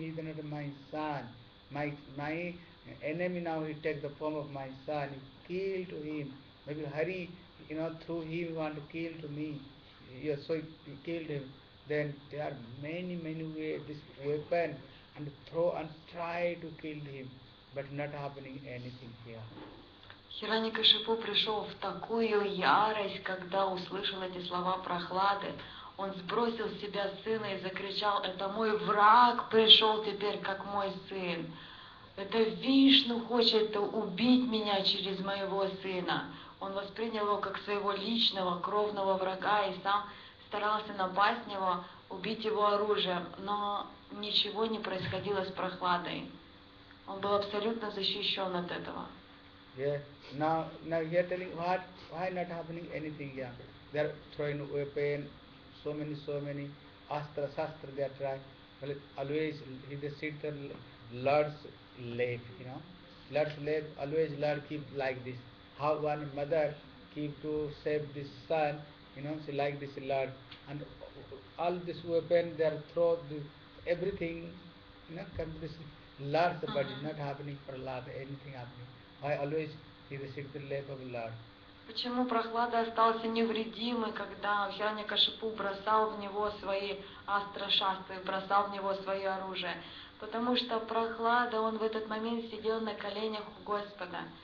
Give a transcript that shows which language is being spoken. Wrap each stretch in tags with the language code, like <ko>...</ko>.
<en>He is not my son. My enemy now he takes the form of my son. He killed him. Maybe Hari, you know, through him he wanted to kill me. Yeah, so he killed him. Then there are many ways this weapon and throw and try to kill him, but not happening anything here.</en> <ru>Хирани Кашипу пришел в такую ярость, когда услышал эти слова Прохлады. Он сбросил с себя сына и закричал: «Это мой враг пришел теперь, как мой сын. Это Вишну хочет убить меня через моего сына». Он воспринял его как своего личного кровного врага и сам старался напасть на него, убить его оружием, но ничего не происходило с Прохладой. Он был абсолютно защищен от этого.</ru> <en>Now you're telling why not happening anything here? They're throwing weapon, so many astra shastra they are trying. Well, always he the Siddhar lords live, you know, lords live always lord keep like this. How one mother keep to save this son? You know, she like this lord, and all this weapon they are throw the everything, you know, can be this lord, uh-huh. But it's not happening for lord, anything happening. Why always he received the lap of lord?</en> <ru>Почему Прохлада остался невредимый, когда Хирани Кашипу бросал в него свои астрашасты, бросал в него свое оружие? Потому что Прохлада, он в этот момент сидел на коленях у Господа.</ru>